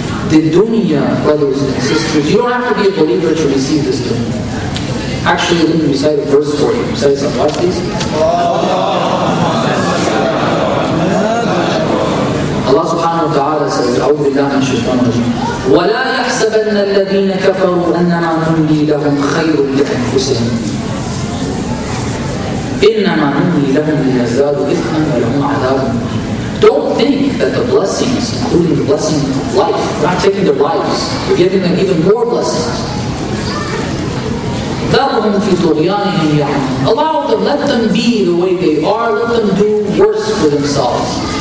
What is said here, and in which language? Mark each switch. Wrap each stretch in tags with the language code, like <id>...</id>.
<en>The dunya, brothers and sisters, you don't have to be a believer to receive this dunya. Actually, let me recite a verse for you. Recite some. Watch these.</en> <ar>Allah subhanahu wa ta'ala says, أعوذ بالله من الشيطان الرجيم. ولا يحسبن الذين كفروا أننا نملي لهم خير لأنفسهم. إنما نملي لهم ليزدادوا إثما ولهم عذاب.</ar> <en>Don't think that the blessings, including the blessing of life, we're not taking their lives, we're giving them even more blessings.</en> <ar>ذرهم في طغيانهم يعمهون.</ar> <en>Allow them, let them be the way they are, let them do worse for themselves.</en>